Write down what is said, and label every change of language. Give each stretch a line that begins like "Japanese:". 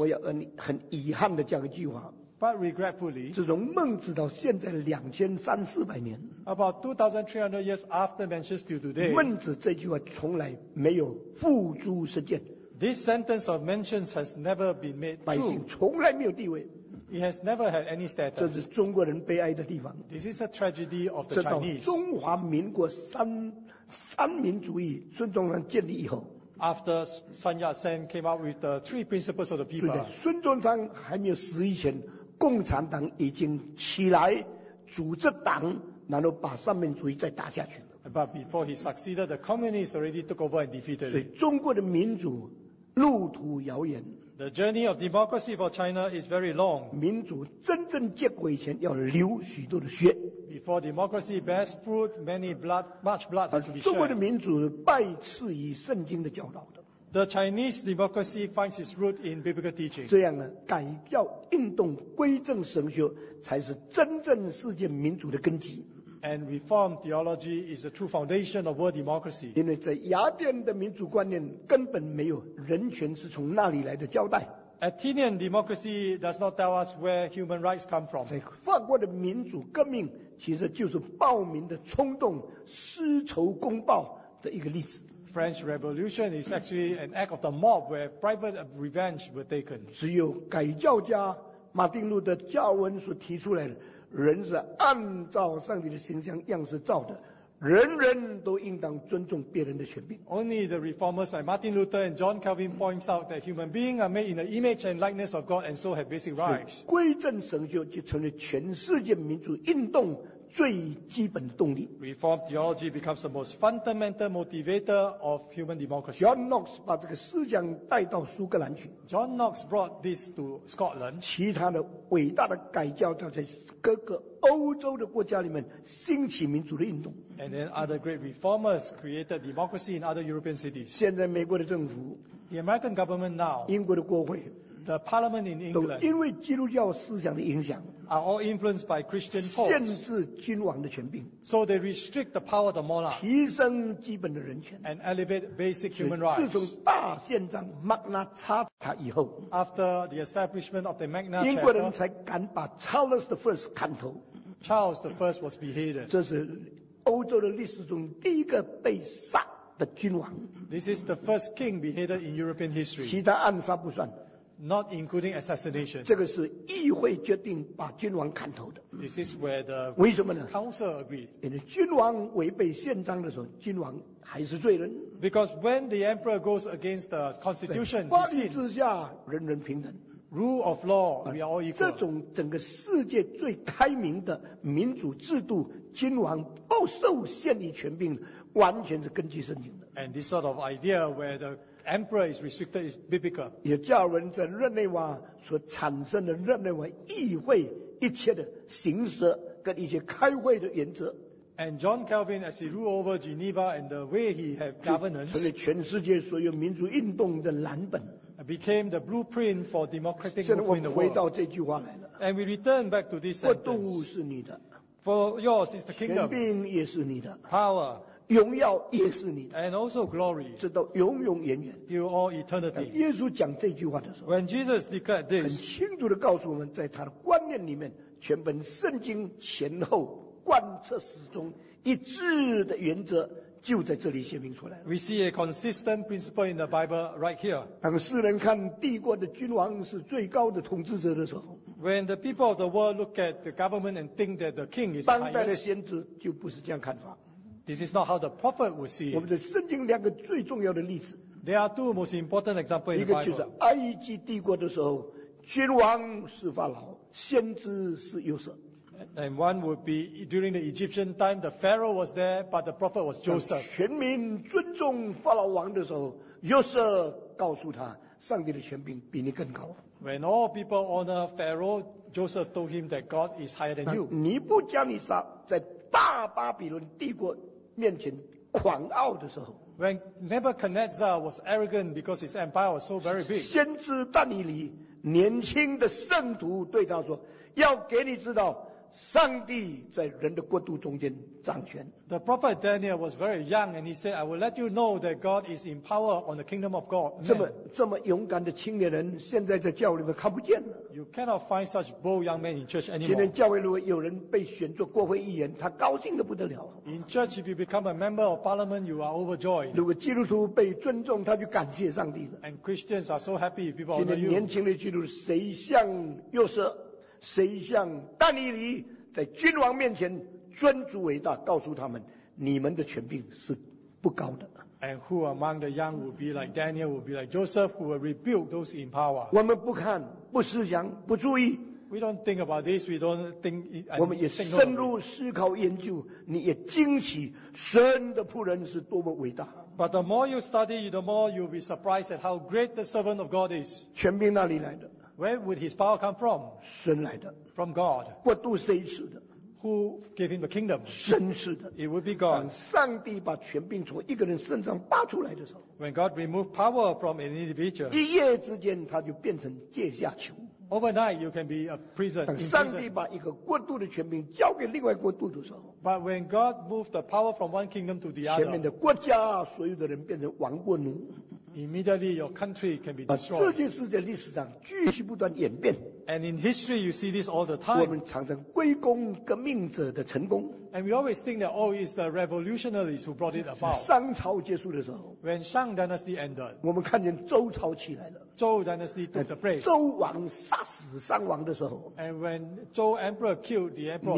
Chinese: 我要很遗憾的讲一句话，
English: But regretfully，
Chinese: 自从孟子到现在2300-400年，
English: About 2300 years after Mencius to today，
Chinese: 孟子这句话从来没有付诸实践。
English: This sentence of mentions has never been made true.
Chinese: 百姓从来没有地位。
English: It has never had any status.
Chinese: 这是中国人悲哀的地方。
English: This is a tragedy of the Chinese.
Chinese: 直到中华民国三民主义，孙中山建立以后。
English: After Sun Yat-sen came out with the three principles of the people.
Chinese: 对的，孙中山还没有死以前，共产党已经起来组织党，然后把三民主义再打下去。
English: But before he succeeded, the communists already took over and defeated him.
Chinese: 所以中国的民主路途遥远。
English: The journey of democracy for China is very long.
Chinese: 民主真正结果以前要流许多的血。
English: Before democracy bears fruit, much blood has to be shed.
Chinese: 中国的民主拜次于圣经的教导的。
English: The Chinese democracy finds its root in biblical teaching.
Chinese: 这样呢，改教运动、归正神学才是真正世界民主的根基。
English: And reform theology is the true foundation of world democracy.
Chinese: 因为在雅典的民主观念根本没有人权是从那里来的交代。
English: Athenian democracy does not tell us where human rights come from.
Chinese: 在法国的民主革命其实就是暴民的冲动、私仇公报的一个例子。
English: French Revolution is actually an act of the mob where private revenge were taken.
Chinese: 只有改教家马丁路德教文所提出来的，人是按照上帝的形象样式造的，人人都应当尊重别人的权柄。
English: Only the reformers like Martin Luther and John Calvin points out that human beings are made in the image and likeness of God and so have basic rights.
Chinese: 归正神学就成了全世界民主运动最基本的动力。
English: Reform theology becomes the most fundamental motivator of human democracy.
Chinese: John Knox 把这个思想带到苏格兰去。
English: John Knox brought this to Scotland.
Chinese: 其他的伟大的改教者在各个欧洲的国家里面兴起民主的运动。
English: And then other great reformers created democracy in other European cities.
Chinese: 现在美国的政府。
English: The American government now.
Chinese: 英国的国会。
English: The parliament in England.
Chinese: 都因为基督教思想的影响。
English: Are all influenced by Christian thought.
Chinese: 限制君王的权柄。
English: So they restrict the power of the monarch.
Chinese: 提升基本的人权。
English: And elevate basic human rights.
Chinese: 自从大宪章 Magna Carta 以后。
English: After the establishment of the Magna Carta.
Chinese: 英国人才敢把 Charles I 砍头。
English: Charles I was beheaded.
Chinese: 这是欧洲的历史中第一个被杀的君王。
English: This is the first king beheaded in European history.
Chinese: 其他暗杀不算。
English: Not including assassination.
Chinese: 这个是议会决定把君王砍头的。
English: This is where the
Chinese: 为什么呢
English: ？Council agreed.
Chinese: 因为君王违背宪章的时候，君王还是罪人。
English: Because when the emperor goes against the constitution,
Chinese: 法律之下人人平等。
English: Rule of law, we are all equal.
Chinese: 这种整个世界最开明的民主制度，君王不受限于权柄，完全是根据圣经的。
English: And this sort of idea where the Emperor is restricted is biblical.
Chinese: 也加尔文在日内瓦所产生的日内瓦议会一切的形式跟一些开会的原则。
English: And John Calvin, as he ruled over Geneva and the way he had governance,
Chinese: 成为全世界所有民主运动的蓝本。
English: Became the blueprint for democratic movement in the world.
Chinese: 现在我们回到这句话来了。
English: And we return back to this sentence.
Chinese: 国度是你的。
English: For yours is the kingdom.
Chinese: 权柄也是你的。
English: Power.
Chinese: 荣耀也是你的
English: ，and also glory，
Chinese: 直到永永远远
English: ，till all eternity。
Chinese: 耶稣讲这句话的时候
English: ，when Jesus declared this，
Chinese: 很清楚地告诉我们，在他的观念里面，全本圣经前后贯彻始终一致的原则就在这里显明出来了。
English: We see a consistent principle in the Bible right here。
Chinese: 当世人看帝国的君王是最高的统治者的时候。
English: When the people of the world look at the government and think that the king is highest，
Chinese: 当代的先知就不是这样看法。
English: This is not how the prophet would see.
Chinese: 我们的圣经两个最重要的例子。
English: There are two most important examples in the Bible.
Chinese: 一个就是埃及帝国的时候，君王是法老，先知是约瑟。
English: And one would be during the Egyptian time, the Pharaoh was there, but the prophet was Joseph.
Chinese: 全民尊重法老王的时候，约瑟告诉他，上帝的权柄比你更高。
English: When all people honor Pharaoh, Joseph told him that God is higher than you.
Chinese: 尼布加尼撒在大巴比伦帝国面前狂傲的时候
English: ，When Nebuchadnezzar was arrogant because his empire was so very big，
Chinese: 先知但以理年轻的圣徒对他说：“要给你知道，上帝在人的国度中间掌权。
English: ”The prophet Daniel was very young and he said, "I will let you know that God is in power on the kingdom of God."
Chinese: 这么勇敢的青年人，现在在教会里面看不见了。
English: You cannot find such bold young men in church anymore.
Chinese: 今天教会如果有人被选作国会议员，他高兴得不得了。
English: In church, if you become a member of parliament, you are overjoyed.
Chinese: 如果基督徒被尊重，他就感谢上帝了。
English: And Christians are so happy if people honor you.
Chinese: 今天年轻的基督徒，谁像约瑟，谁像但以理，在君王面前尊主伟大，告诉他们，你们的权柄是不高的。
English: And who among the young will be like Daniel, will be like Joseph, who will rebuke those in power?
Chinese: 我们不看。不思想，不注意。
English: We don't think about this. We don't think.
Chinese: 我们也深入思考研究，你也惊奇神的仆人是多么伟大。
English: But the more you study, the more you'll be surprised at how great the servant of God is.
Chinese: 权柄哪里来的
English: ？Where would his power come from？
Chinese: 神来的。
English: From God。
Chinese: 国度谁赐的
English: ？Who gave him the kingdom？
Chinese: 神赐的。
English: It would be God。
Chinese: 当上帝把权柄从一个人身上拔出来的时候。
English: When God removed power from an individual,
Chinese: 一夜之间他就变成阶下囚。
English: Overnight, you can be a prison.
Chinese: 当上帝把一个国度的权柄交给另外国度的时候。
English: But when God moved the power from one kingdom to the other,
Chinese: 前面的国家所有的人变成亡国奴。
English: Immediately, your country can be destroyed.
Chinese: 这件事在历史上继续不断演变。
English: And in history, you see this all the time.
Chinese: 我们常常归功革命者的成功。
English: And we always think that, oh, it's the revolutionaries who brought it about.
Chinese: 商朝结束的时候。
English: When Shang Dynasty ended.
Chinese: 我们看见周朝起来了。
English: Zhou Dynasty took the place.
Chinese: 周王杀死商王的时候。
English: And when Zhou Emperor killed the Emperor Shang.